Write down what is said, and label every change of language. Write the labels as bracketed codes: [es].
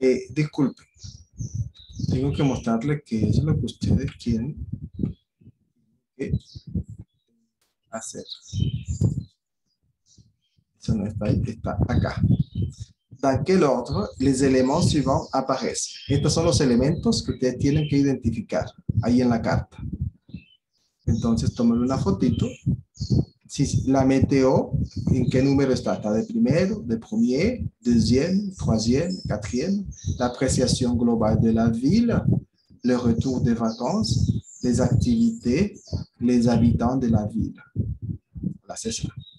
[es] Disculpe, tengo que mostrarle que es lo que ustedes quieren hacer. Eso no está ahí, está acá. [fr] Dans quel ordre les éléments suivants apparaissent? [es] Estos son los elementos que ustedes tienen que identificar ahí en la carta. Entonces, tómenle una fotito. Si la meteo, ¿en qué número está? ¿Está de primero, de [fr] premier, deuxième, troisième, quatrième? [es] La apreciación global [fr] de la ville, le retour des vacances, les activités, les habitants de la ville. [es] La sesión.